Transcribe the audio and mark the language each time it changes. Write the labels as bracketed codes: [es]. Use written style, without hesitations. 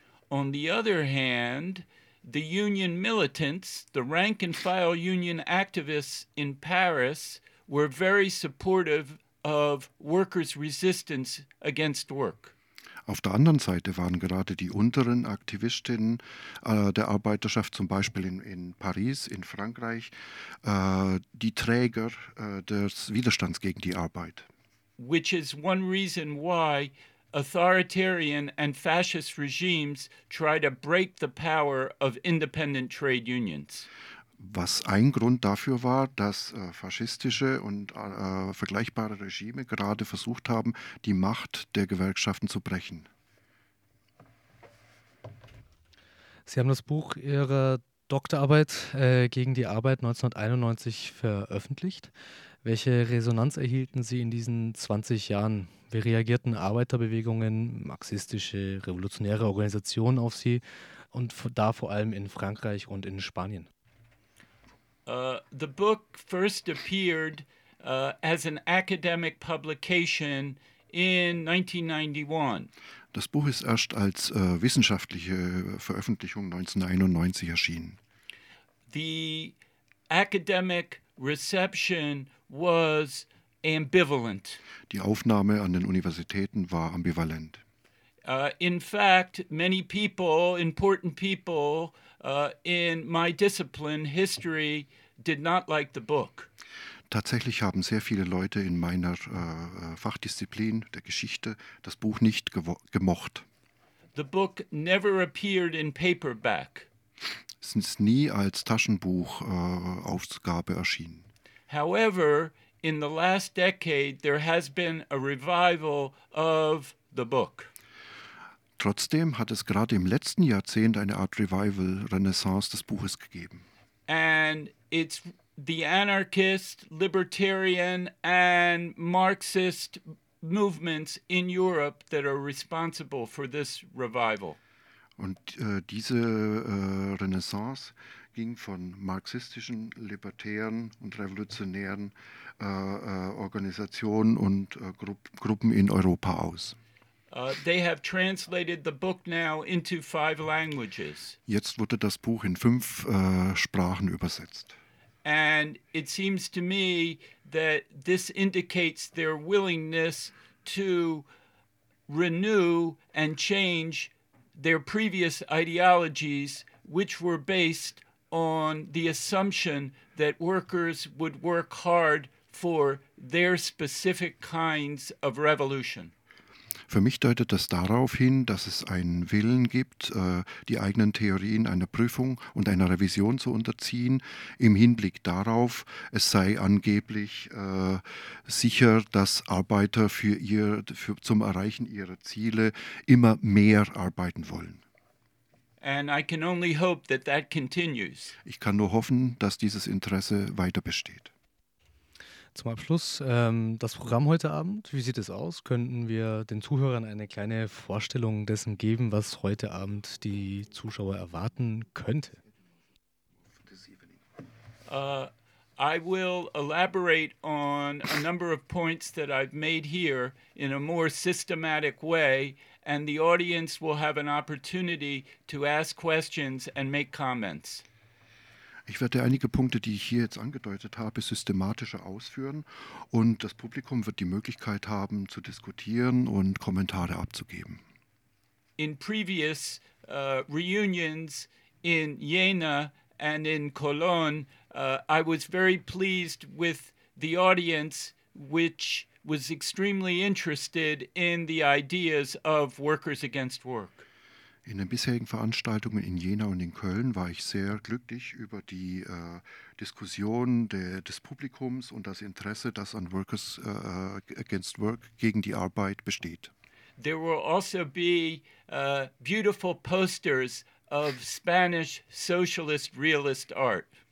[en] On the other hand, the union militants, the rank and file union activists in Paris, were very supportive of workers' resistance against work. [de] Auf der anderen Seite waren gerade die unteren Aktivistinnen der Arbeiterschaft, zum Beispiel in Paris, in Frankreich, die Träger des Widerstands gegen die Arbeit. [en] Which is one reason why authoritarian and fascist regimes try to break the power of independent trade unions. [de] Was ein Grund dafür war, dass faschistische und vergleichbare Regime gerade versucht haben, die Macht der Gewerkschaften zu brechen. Sie haben das Buch Ihrer Doktorarbeit gegen die Arbeit 1991 veröffentlicht. Welche Resonanz erhielten Sie in diesen 20 Jahren? Wie reagierten Arbeiterbewegungen, marxistische, revolutionäre Organisationen auf Sie und da vor allem in Frankreich und in Spanien? [en] The book first appeared as an academic publication in 1991. [de] Das Buch ist erst als wissenschaftliche Veröffentlichung 1991 erschienen. [en] The academic reception was ambivalent. [de] Die Aufnahme an den Universitäten war ambivalent. [en] In fact, many people, important people in my discipline, history, did not like the book. [de] Tatsächlich haben sehr viele Leute in meiner Fachdisziplin der Geschichte das Buch nicht gemocht. [en] The book never appeared in paperback. [de] Es ist nie als Taschenbuch Ausgabe erschienen. [en] However, in the last decade there has been a revival of the book. [de] Trotzdem hat es gerade im letzten Jahrzehnt eine Art Revival, Renaissance des Buches gegeben. [en] And it's the anarchist, libertarian and Marxist movements in Europe that are responsible for this revival. [de] Und diese Renaissance ging von marxistischen, libertären und revolutionären Organisationen und Gruppen in Europa aus. [en] They have translated the book now into 5 languages. [de] Jetzt wurde das Buch in 5 Sprachen übersetzt. [en] And it seems to me that this indicates their willingness to renew and change their previous ideologies, which were based on the assumption that workers would work hard for their specific kinds of revolution. [de] Für mich deutet das darauf hin, dass es einen Willen gibt, die eigenen Theorien einer Prüfung und einer Revision zu unterziehen, im Hinblick darauf, es sei angeblich sicher, dass Arbeiter zum Erreichen ihrer Ziele immer mehr arbeiten wollen. [en] And I can only hope that that continues. [de] Ich kann nur hoffen, dass dieses Interesse weiter besteht. Zum Abschluss, das Programm heute Abend, wie sieht es aus? Könnten wir den Zuhörern eine kleine Vorstellung dessen geben, was heute Abend die Zuschauer erwarten könnte? [en] I will elaborate on a number of points that I've made here in a more systematic way, and the audience will have an opportunity to ask questions and make comments. [de] Ich werde einige Punkte, die ich hier jetzt angedeutet habe, systematischer ausführen und das Publikum wird die Möglichkeit haben, zu diskutieren und Kommentare abzugeben. [en] In previous reunions in Jena and in Cologne, I was very pleased with the audience, which was extremely interested in the ideas of workers against work. [de] In den bisherigen Veranstaltungen in Jena und in Köln war ich sehr glücklich über die Diskussion des Publikums und das Interesse, das an Workers against Work, gegen die Arbeit, besteht. [en] There will also be beautiful posters of Spanish socialist realist art.